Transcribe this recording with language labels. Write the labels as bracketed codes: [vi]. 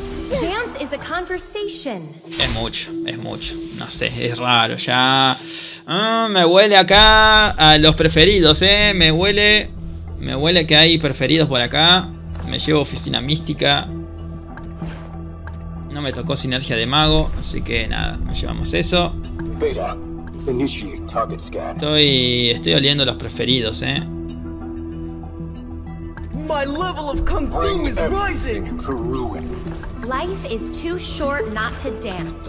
[en] Dance is a conversation. [es] Es mucho, es mucho. No sé, es raro ya. Me huele acá a los preferidos, ¿eh? Me huele que hay preferidos por acá. Me llevo oficina mística. No me tocó sinergia de mago, así que nada, nos llevamos eso. Beta, initiate target scan. Estoy oliendo los preferidos, ¿eh? [en] My level of kung fu is rising. Life is too short not to dance.